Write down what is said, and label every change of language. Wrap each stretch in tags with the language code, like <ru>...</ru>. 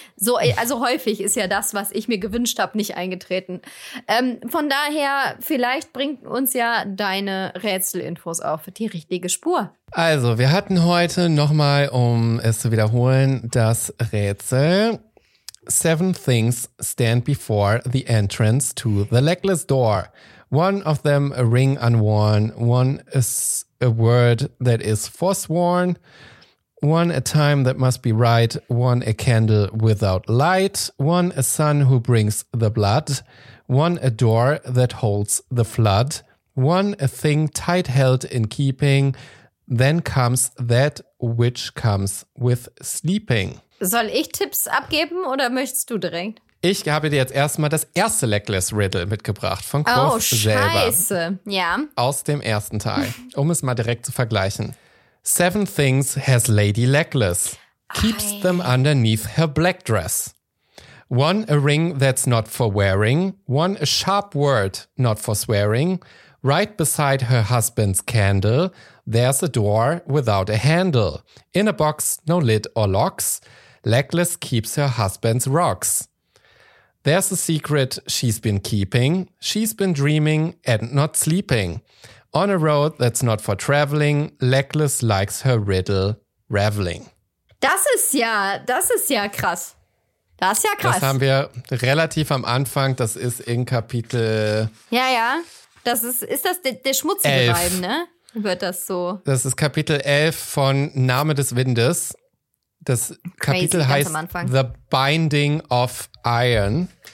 <de>So, also häufig ist ja das, was ich mir gewünscht habe, nicht eingetreten. Von daher, vielleicht bringt uns ja deine Rätselinfos auf die richtige Spur. Also, wir hatten heute nochmal, um es zu wiederholen, das Rätsel.</de> <en>7 things stand before the entrance to the legless door. One of them a ring unworn, one is a word that is forsworn, one a time that must be right, one a candle without light, one a sun who brings the blood, one a door that holds the flood, one a thing tight held in keeping, then comes that which comes with sleeping.</en> <de>Soll ich Tipps abgeben oder möchtest du direkt? Ich habe dir jetzt erstmal das erste Legless Riddle mitgebracht von Quoth selber. Oh, scheiße. Ja. Aus dem ersten Teil, um es mal direkt zu vergleichen.</de> <en>7 things has Lady Legless. Keeps them underneath her black dress. One, a ring that's not for wearing. One, a sharp word not for swearing. Right beside her husband's candle, there's a door without a handle. In a box, no lid or locks. Legless keeps her husband's rocks. There's a secret she's been keeping. She's been dreaming and not sleeping. On a road that's not for traveling, Legless likes her riddle, reveling.</en> <de>Das ist ja krass. Das ist ja krass. Das haben wir relativ am Anfang, das ist in Kapitel... Ja, ja, das ist das der schmutzige Reim, ne? Wird das so. Das ist Kapitel 11 von Name des Windes. Das Kapitel heißt The Binding of Iron.</de>